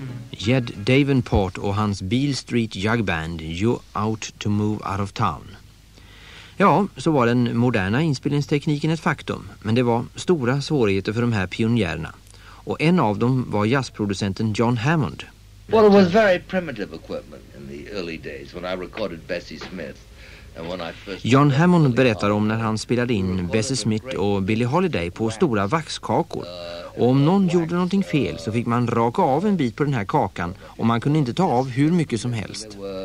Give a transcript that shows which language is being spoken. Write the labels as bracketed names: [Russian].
[Swedish] Jed Davenport och hans Beale Street Jug Band, You Out to Move Out of Town. Ja, så var den moderna inspelningstekniken ett faktum. Men det var stora svårigheter för de här pionjärerna. Och en av dem var jazzproducenten John Hammond. [English] Well, it was very primitive equipment in the early days when I recorded Bessie Smith. [Swedish] John Hammond berättar om när han spelade in Bessie Smith och Billie Holiday på stora vaxkakor. Och om någon gjorde någonting fel så fick man raka av en bit på den här kakan och man kunde inte ta av hur mycket som helst.